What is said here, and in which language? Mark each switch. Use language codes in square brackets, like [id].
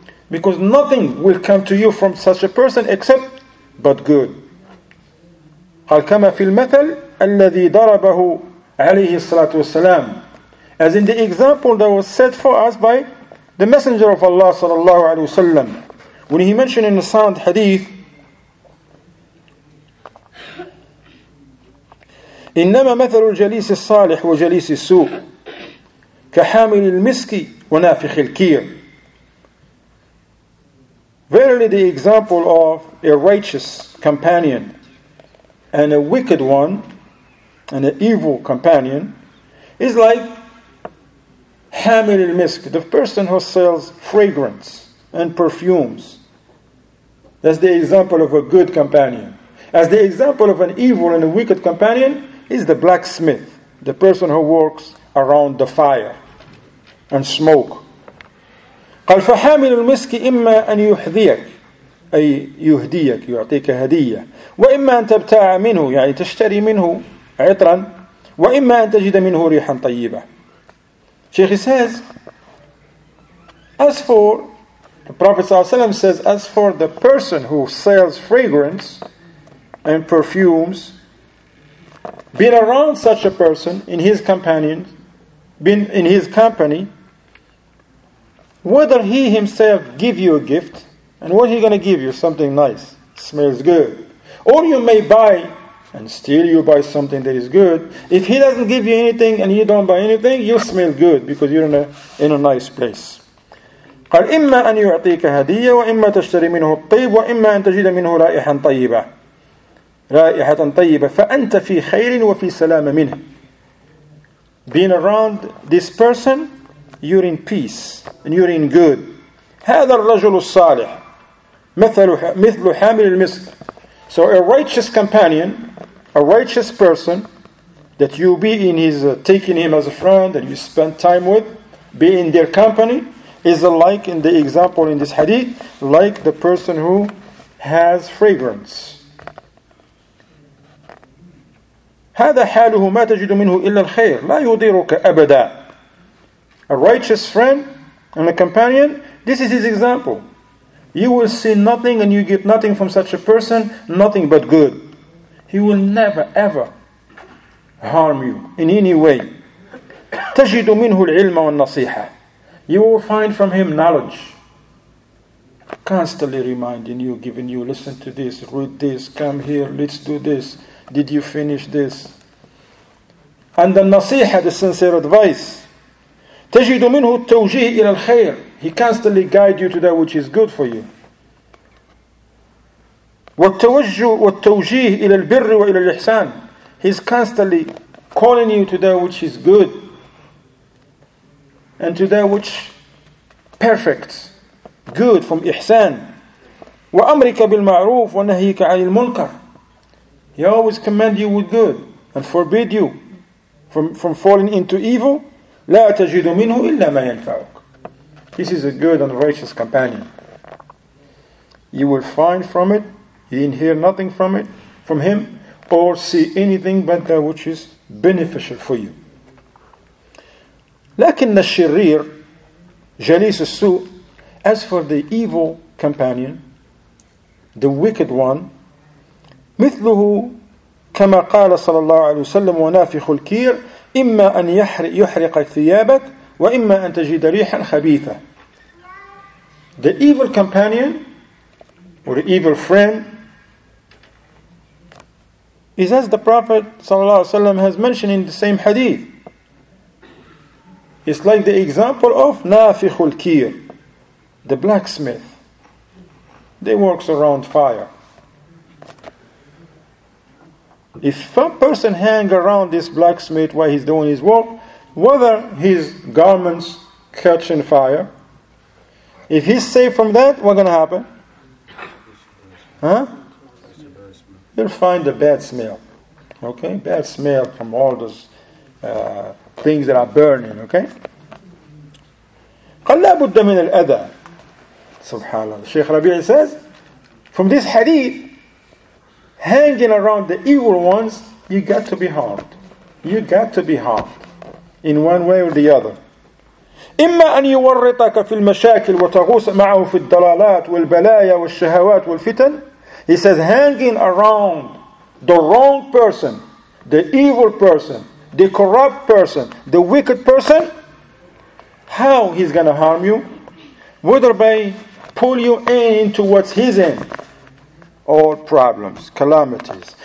[en] Because nothing will come to you from such a person except but good. [ar] قَالْ كَمَا فِي الْمَثَلِ الَّذِي ضَرَبَهُ عَلَيْهِ الصَّلَاةُ وَالسَّلَامُ. [en] As in the example that was set for us by the Messenger of Allah sallallahu alayhi wa sallam, When he mentioned in the sound hadith, [ar] إِنَّمَا مَثَلُ الْجَلِيسِ الصَّالِحِ وَجَلِيسِ السُّوءِ كَحَامِلِ الْمِسْكِ وَنَافِخِ الْكِيرِ. [en] Verily the example of a righteous companion and a wicked one and an evil companion is like [ar] حَامِلِ الْمِسْكِ, [en] the person who sells fragrance and perfumes. That's the example of a good companion. As the example of an evil and a wicked companion is the blacksmith, the person who works around the fire and smoke. [ar] قال فحامل المسك إما أن يحذيك أي يهديك يعطيك هدية وإما أن تبتاع منه يعني تشتري منه عطرا وإما أن تجد منه ريحا طيبة. [en] Sheikh says, as for the Prophet ﷺ says, as for the person who sells fragrance and perfumes, being around such a person in his companion, being in his company, whether he himself give you a gift, and what he gonna give you, something nice, smells good, or you may buy and steal you buy something that is good. If he doesn't give you anything and you don't buy anything, you smell good because you're in a nice place. [ar] قال إما أن يعطيك هدية وإما تشتري منه الطيب وإما أن تجد منه رائحة طيبة رائحة طيبة فأنت في خير وفي سلام منه. [en] Being around this person, you're in peace and you're in good. [ar] هذا الرجل الصالح مثل حامل المسك. [en] So a righteous companion, a righteous person that you be in his taking him as a friend and you spend time with, be in their company, is like in the example in this hadith, like the person who has fragrance. [ar] هذا حاله ما تجد منه إلا الخير لا يضيرك أبدا. [en] A righteous friend and a companion, this is his example. You will see nothing and you get nothing from such a person, nothing but good. He will never ever harm you in any way. [ar] تجد منه العلم والنصيحة. [en] You will find from him knowledge. Constantly reminding you, giving you, listen to this, read this, come here, let's do this. Did you finish this? And the nasiha, the sincere advice. [ar] تجد منه التوجيه إلى الخير. [en] He constantly guide you to that which is good for you. [ar] والتوجيه إلى البر وإلى الإحسان. [en] He's constantly calling you to that which is good and to that which perfect, good from إحسان. [ar] وأمرك بالمعروف ونهيك عن المنكر. [en] He always command you with good and forbid you from falling into evil. [ar] لا تجد منه إلا ما ينفعك. [en] This is a good and righteous companion. You will find from it, you didn't hear nothing from it, from him, or see anything but that which is beneficial for you. [ar] لكن الشرير جليس السوء. [en] As for the evil companion, the wicked one, [ar] مثله كما قال صلى الله عليه وسلم ونافخ الكير إما أن يحرق ثيابك وإما أن تجد ريحا خبيثة. [en] The evil companion or the evil friend is as the Prophet ﷺ has mentioned in the same hadith. It's like the example of [ar] نافخ الكير, [en] the blacksmith. They works around fire. If a person hang around this blacksmith while he's doing his work, whether his garments catch in fire, if he's safe from that, what's going to happen? Huh? You'll find a bad smell. Okay? Bad smell from all those things that are burning. [ar] Okay? قال لا بد من الأذى. سبحان الله. [en] Sheikh Rabi'i says, from this hadith, hanging around the evil ones, you got to be harmed. You got to be harmed in one way or the other. [ar] إما أن يورطك في المشاكل وتغوص معه في الضلالات والبلايا والشهوات والفتن. [en] He says, hanging around the wrong person, the evil person, the corrupt person, the wicked person, how he's going to harm you? Whether by pull you in towards his end. All problems, calamities.